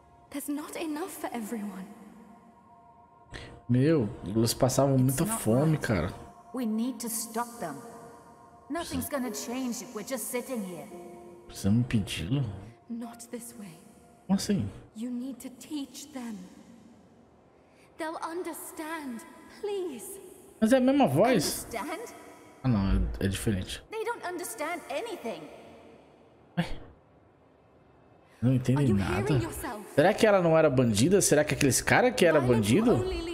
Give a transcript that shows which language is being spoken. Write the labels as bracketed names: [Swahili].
[English] There's not enough for everyone. [Portuguese] Meu, eles passavam muita fome, cara. [English] We need to stop them. Nothing's gonna change if we're just sitting here. [Portuguese] Precisamos impedi-lo? [English] Not this way. [Portuguese] Como assim? [English] You need to teach them. They'll understand, please. [Portuguese] Mas é a mesma voz? [English] Understand? [Portuguese] Ah, não, é diferente. [English] They don't understand anything. [Portuguese] Não entendi nada. Será que ela não era bandida? Será que aqueles caras que eram bandido?